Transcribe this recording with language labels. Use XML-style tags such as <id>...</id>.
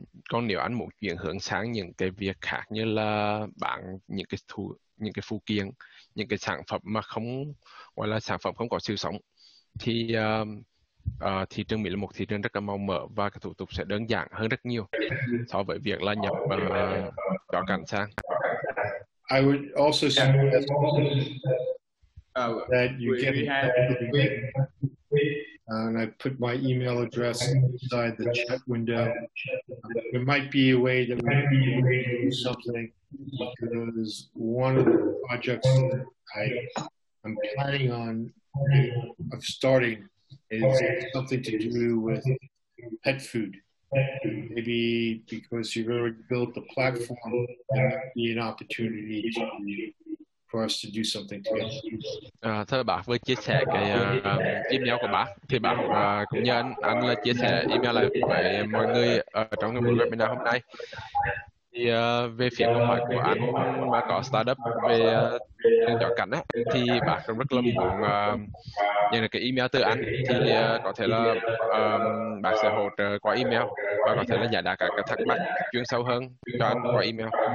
<vi>Còn nếu anh muốn chuyển hướng sang những cái việc khác như là bán những cái phụ kiện, những cái sản phẩm mà không gọi là sản phẩm không có sự sống, thì thị trường Mỹ là một thị trường rất là màu mỡ và cái thủ tục sẽ đơn giản hơn rất nhiều so với việc là nhập chó cảnh sang.</vi> <en>I would also suggest that you get and I put my email address inside the chat window. There might be a way that we can do something, because one of the projects I'm planning on of starting is something to do with pet food. Maybe because you've already built the platform, there might be an opportunity for us to do something together.</en> <vi>Thưa bác vừa chia sẻ cái email của bác, thì bác cũng nhờ anh là chia sẻ email lại với mọi người ở trong buổi webinar hôm nay. Thì về phía câu hỏi của anh mà có startup về chó cảnh á, thì bác cũng rất là muốn nhận được cái email từ anh, thì có thể là bác sẽ hỗ trợ qua email và có thể là giải đáp các thắc mắc chuyên sâu hơn cho anh qua email.</vi>